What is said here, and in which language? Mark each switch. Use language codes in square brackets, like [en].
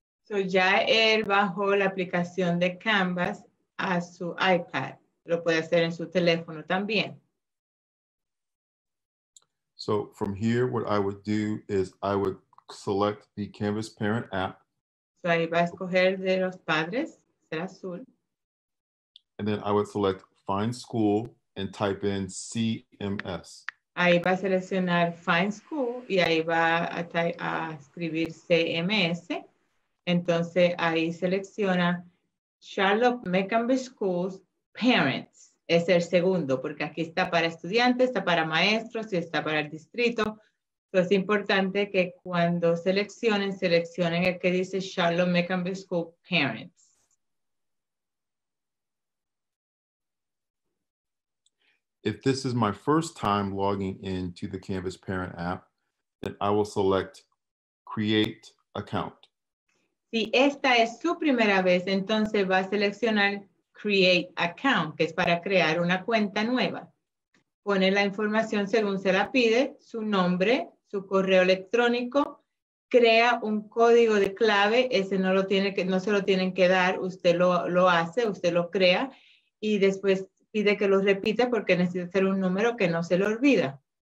[es] So ya él bajó la aplicación de Canvas a su iPad. Lo puede hacer en su teléfono también. [en] So from here, what I would do is I would select the Canvas Parent app. [es] So ahí va a escoger de los padres, será azul. [en] And then I would select Find School and type in CMS. [es] Ahí va a seleccionar Find School y ahí va a escribir CMS. Entonces ahí selecciona Charlotte Mecklenburg Schools Parents. Es el segundo, porque aquí está para estudiantes, está para maestros y está para el distrito. Entonces es importante que cuando seleccionen el que dice Charlotte Mecklenburg Schools Parents. [en] If this is my first time logging into the Canvas Parent app, then I will select Create Account. [es] Si esta es su primera vez, entonces va a seleccionar Create Account, que es para crear una cuenta nueva. Pone la información según se la pide, su nombre, su correo electrónico, crea un código de clave, ese no se lo tienen que dar, usted lo hace, usted lo crea, y después pide que lo repita porque necesita hacer un número que no se le olvida.